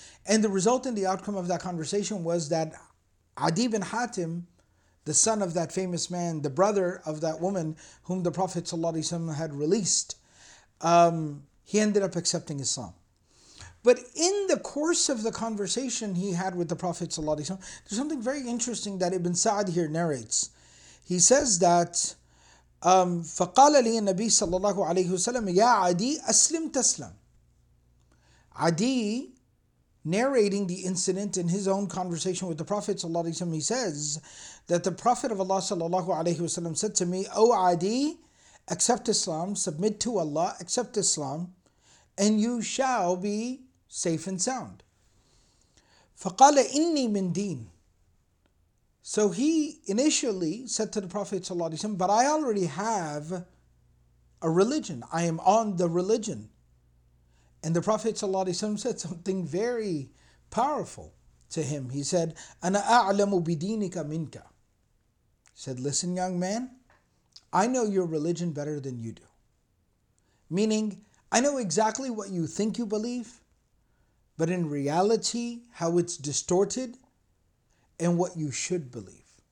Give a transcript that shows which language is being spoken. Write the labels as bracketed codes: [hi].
[en] And the result and the outcome of that conversation was that Adi bin Hatim, the son of that famous man, the brother of that woman whom the Prophet ﷺ had released, he ended up accepting Islam. But in the course of the conversation he had with the Prophet ﷺ, there's something very interesting that Ibn Sa'd here narrates. He says that, [ar] فَقَالَ لِي النَّبِي صلى الله عليه وسلم يَا عَدِي أَسْلِمْ تَسْلَمْ. [en] Adi, narrating the incident in his own conversation with the Prophet ﷺ, he says that the Prophet of Allah sallallahu alayhi wasallam said to me, O Adi, accept Islam, submit to Allah, accept Islam, and you shall be safe and sound. [ar] فَقَالَ إِنِّي مِنْ دِينِ. [en] So he initially said to the Prophet ﷺ, but I already have a religion. I am on the religion. And the Prophet ﷺ said something very powerful to him. He said, [ar] أَنَا أَعْلَمُ بِدِينِكَ مِنْكَ. [en] He said, listen, young man, I know your religion better than you do. Meaning, I know exactly what you think you believe, but in reality, how it's distorted and what you should believe.